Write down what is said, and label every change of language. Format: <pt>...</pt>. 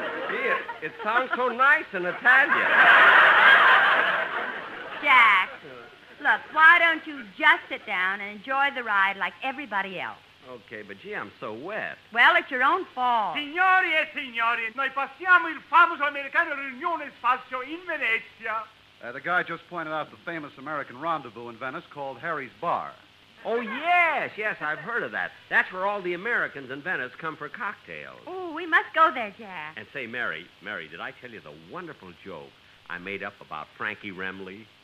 <en>Gee, it sounds so nice in Italian. Jack, look, why don't you just sit down and enjoy the ride like everybody else? Okay, but gee, I'm so wet. Well, it's your own fault.</en> <it>Signori e signori, noi passiamo il famoso americano riunione spazio in Venezia.</it> <en>The guy just pointed out the famous American rendezvous in Venice called Harry's Bar. Oh, yes, yes, I've heard of that. That's where all the Americans in Venice come for cocktails. Oh, we must go there, Jack. And say, Mary, did I tell you the wonderful joke I made up about Frankie Remley?</en>